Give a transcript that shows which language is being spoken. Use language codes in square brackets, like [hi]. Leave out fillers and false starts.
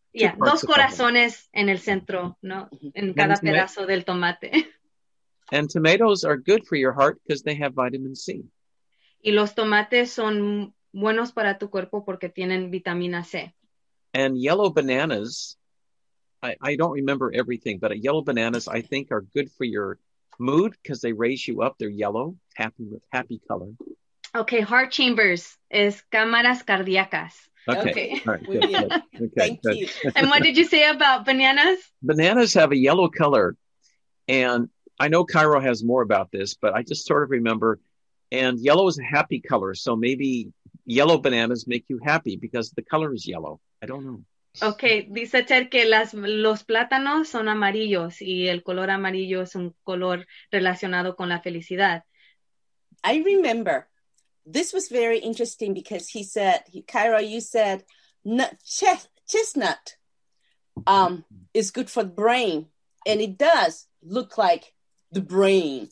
[es] Yeah, dos corazones en el centro, ¿no? En cada pedazo del tomate. [en] And tomatoes are good for your heart because they have vitamin C. [es] Y los tomates son buenos para tu cuerpo porque tienen vitamina C. [en] And yellow bananas, I don't remember everything, but yellow bananas, I think, are good for your mood because they raise you up. They're yellow, happy with happy color. Okay, heart chambers is cámaras cardíacas. Okay. Thank you. And what did you say about bananas? Bananas have a yellow color. And I know Cairo has more about this, but I just sort of remember. And yellow is a happy color. So maybe yellow bananas make you happy because the color is yellow. I don't know. Okay. [es] Dice Ted que los plátanos son amarillos y el color amarillo es un color relacionado con la felicidad. [en] I remember. This was very interesting because he said, Cairo, you said chestnut is good for the brain. And it does look like the brain.